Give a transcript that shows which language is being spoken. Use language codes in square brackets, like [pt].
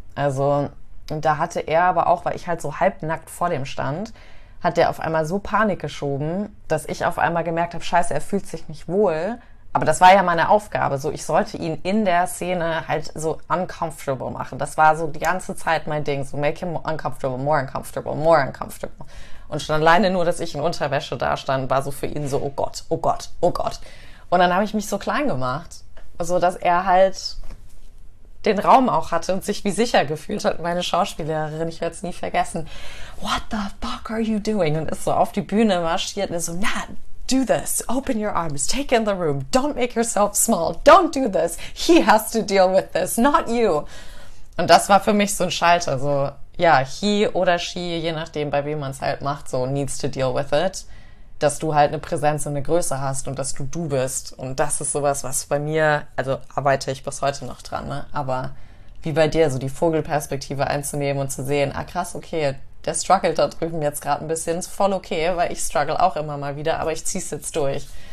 [de] Also, und da hatte er aber auch, weil ich halt so halbnackt vor dem stand, hat der auf einmal so Panik geschoben, dass ich auf einmal gemerkt habe, scheiße, er fühlt sich nicht wohl. Aber das war ja meine Aufgabe. So, ich sollte ihn in der Szene halt so uncomfortable machen. Das war so die ganze Zeit mein Ding. [en] So, make him uncomfortable, more uncomfortable, more uncomfortable. [de] Und schon alleine nur, dass ich in Unterwäsche da stand, war so für ihn so, oh Gott, oh Gott, oh Gott. Und dann habe ich mich so klein gemacht, so dass er halt den Raum auch hatte und sich wie sicher gefühlt hat, meine Schauspiellehrerin, ich werde es nie vergessen, [en] what the fuck are you doing? [de] Und ist so auf die Bühne marschiert und ist so, na, [en] do this, open your arms, take in the room, don't make yourself small, don't do this, he has to deal with this, not you. [de] Und das war für mich so ein Schalter, so, ja, he oder she, je nachdem, bei wem man es halt macht, so, [en] needs to deal with it, [de] dass du halt eine Präsenz und eine Größe hast und dass du bist. Und das ist sowas, was bei mir, also arbeite ich bis heute noch dran, ne, aber wie bei dir, so die Vogelperspektive einzunehmen und zu sehen, ah krass, okay, der struggelt da drüben jetzt gerade ein bisschen, ist voll okay, weil ich struggle auch immer mal wieder, aber ich zieh's jetzt durch.